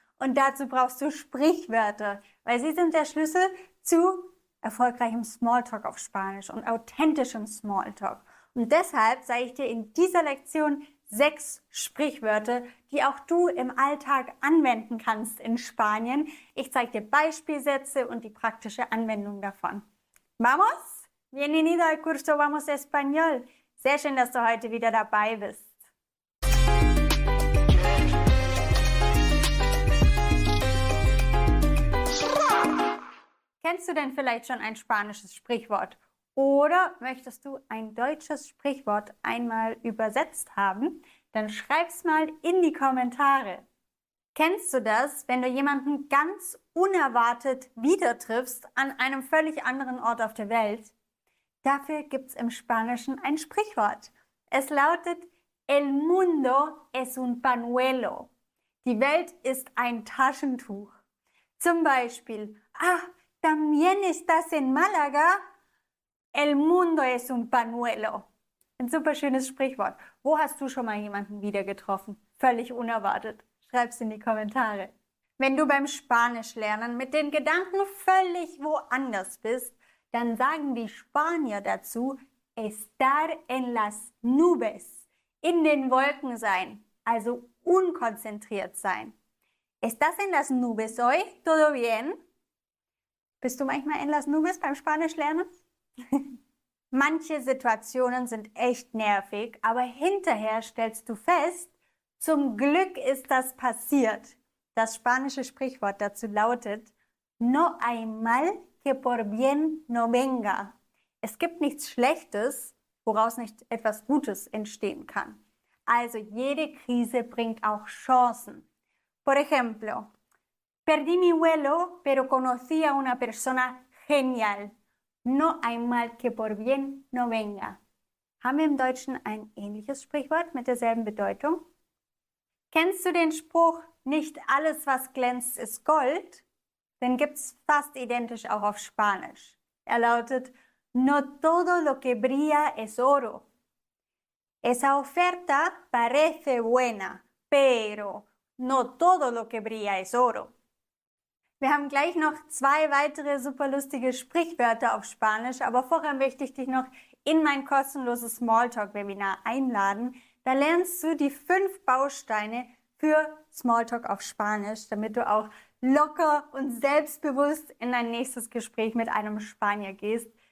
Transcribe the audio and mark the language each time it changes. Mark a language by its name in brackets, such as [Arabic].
[German] Und dazu brauchst du Sprichwörter, weil sie sind der Schlüssel zu erfolgreichem Smalltalk auf Spanisch und authentischem Smalltalk. Und deshalb zeige ich dir in dieser Lektion 6 Sprichwörter, die auch du im Alltag anwenden kannst in Spanien. Ich zeige dir Beispielsätze und die praktische Anwendung davon. [Spanish] ¡Vamos! Bienvenido al curso Vamos Español. [German] Sehr schön, dass du heute wieder dabei bist. Kennst du denn vielleicht schon ein spanisches Sprichwort? Oder möchtest du ein deutsches Sprichwort einmal übersetzt haben? Dann schreib's mal in die Kommentare. Kennst du das, wenn du jemanden ganz unerwartet wieder triffst an einem völlig anderen Ort auf der Welt? Dafür gibt's im Spanischen ein Sprichwort. Es lautet: [Spanish] El mundo es un pañuelo. [German] Die Welt ist ein Taschentuch. Zum Beispiel: [Spanish] Ah, también estás en Málaga. El mundo es un pañuelo. [German] Ein superschönes Sprichwort. Wo hast du schon mal jemanden wieder getroffen? Völlig unerwartet. Schreib's in die Kommentare. Wenn du beim Spanischlernen mit den Gedanken völlig woanders bist, dann sagen die Spanier dazu: [Spanish] estar en las nubes. [German] In den Wolken sein. Also unkonzentriert sein. [Spanish] ¿Estás en las nubes hoy? ¿Todo bien? [German] Bist du manchmal en las nubes beim Spanischlernen? Manche Situationen sind echt nervig, aber hinterher stellst du fest: zum Glück ist das passiert. Das spanische Sprichwort dazu lautet: [Spanish] No hay mal que por bien no venga. [German] Es gibt nichts Schlechtes, woraus nicht etwas Gutes entstehen kann. Also jede Krise bringt auch Chancen. [Spanish] Por ejemplo: Perdí mi vuelo, pero conocí a una persona genial. No hay mal que por bien no venga. [German] Haben wir im Deutschen ein ähnliches Sprichwort mit derselben Bedeutung? Kennst du den Spruch: Nicht alles, was glänzt, ist Gold? Den gibt's fast identisch auch auf Spanisch. Er lautet: [Spanish] No todo lo que brilla es oro. Esa oferta parece buena, pero no todo lo que brilla es oro. [German] Wir haben gleich noch 2 weitere superlustige Sprichwörter auf Spanisch, aber vorher möchte ich dich noch in mein kostenloses Smalltalk-Webinar einladen. Da lernst du die 5 Bausteine für Smalltalk auf Spanisch, damit du auch locker und selbstbewusst in dein nächstes Gespräch mit einem Spanier gehst.